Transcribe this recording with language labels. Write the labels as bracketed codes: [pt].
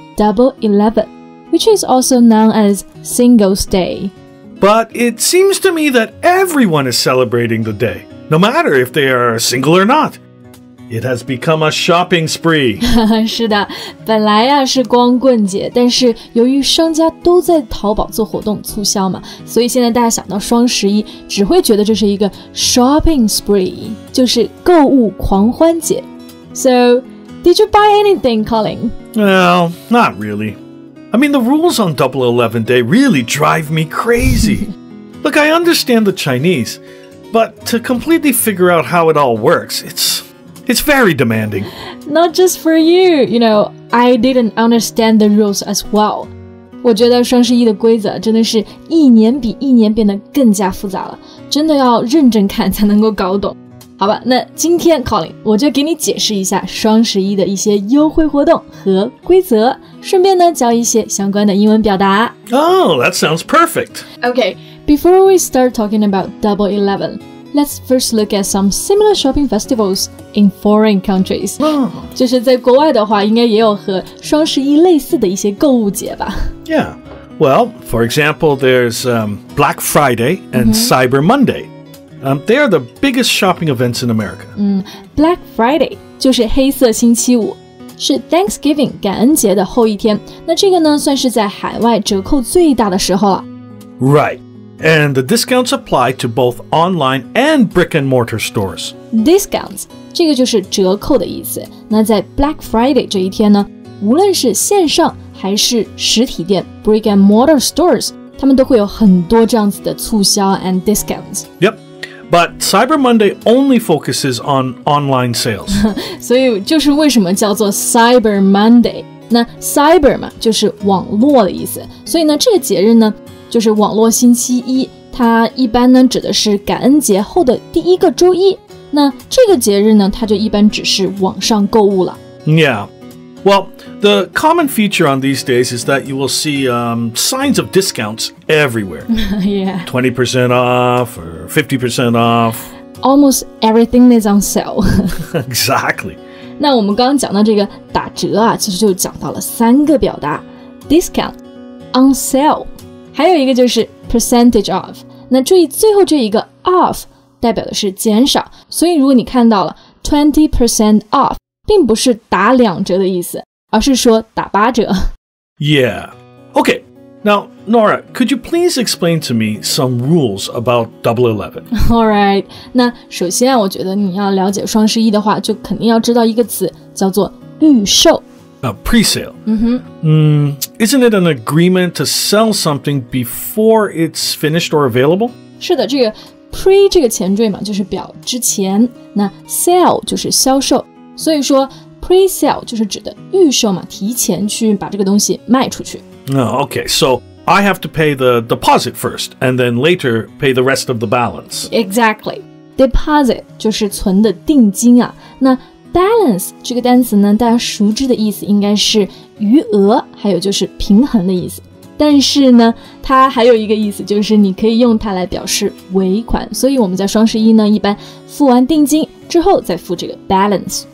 [en] Double 11, which is also known as Singles Day. But it seems to me that everyone is celebrating the day, no matter if they are single or not. It has become a shopping spree. [zh] 是的，本来呀是光棍节，但是由于商家都在淘宝做活动促销嘛，所以现在大家想到双十一，只会觉得这是一个 [en] shopping spree, [zh] 就是购物狂欢节。 [en] So, did you buy anything, Colin? Well, not really. I mean, the rules on Double 11 Day really drive me crazy. Look, I understand the Chinese, but to completely figure out how it all works, it's very demanding. Not just for you, you know, I didn't understand the rules as well. [zh] 我觉得双十一的规则真的是一年比一年变得更加复杂了，真的要认真看才能够搞懂。好吧，那今天 Colin 我就给你解释一下双十一的一些优惠活动和规则，顺便呢教一些相关的英文表达。 [en] Oh, that sounds perfect. Okay, before we start talking about Double 11, let's first look at some similar shopping festivals in foreign countries. [zh] 就是在国外的话，应该也有和双十一类似的一些购物节吧。 [en] Yeah, well, for example, there's Black Friday and Cyber Monday. They are the biggest shopping events in America. [zh] Black Friday 就是黑色星期五，是 Thanksgiving 感恩节的后一天。那这个呢，算是在海外折扣最大的时候了。 [en] Right, and the discounts apply to both online and brick and mortar stores. [zh] Discounts 这个就是折扣的意思。那在 Black Friday 这一天呢，无论是线上还是实体店 [en] brick and mortar stores， [zh] 他们都会有很多这样子的促销 [en] and discounts. Yep. But Cyber Monday only focuses on online sales. [zh] 所以就是为什么叫做 Cyber Monday? 那 Cyber 嘛就是网络的意思。所以呢这个节日呢就是网络星期一，它一般呢指的是感恩节后的第一个周一。那这个节日呢它就一般只是网上购物了。 [en] Yeah. Well, the common feature on these days is that you will see signs of discounts. Everywhere. Yeah. 20% off or 50% off. Almost everything is on sale. Exactly. [zh] 那我们刚刚讲到这个打折啊，其实就讲到了三个表达 discount, on sale, 还有一个就是 percentage off. 那注意最后这一个 off 代表的是减少，所以如果你看到了 20% off, 并不是打两折的意思，而是说打八折。 [en] Yeah. Okay. Now, Nora, could you please explain to me some rules about Double 11? All right. [zh] 那首先我觉得你要了解双十一的话，就肯定要知道一个词叫做预售。 [en] Pre-sale. Mm-hmm. Isn't it an agreement to sell something before it's finished or available? [zh] 是的，这个 pre 这个前缀嘛，就是表之前。那 sell 就是销售。所以说 pre-sale 就是指的预售嘛，提前去把这个东西卖出去。 [en] Oh, okay, so I have to pay the deposit first, and then later pay the rest of the balance. Exactly. [zh] Deposit 就是存的定金啊。那 balance 这个单词呢，大家熟知的意思应该是余额，还有就是平衡的意思。但是呢，它还有一个意思，就是你可以用它来表示尾款。所以我们在双十一呢，一般付完定金之后再付这个 balance.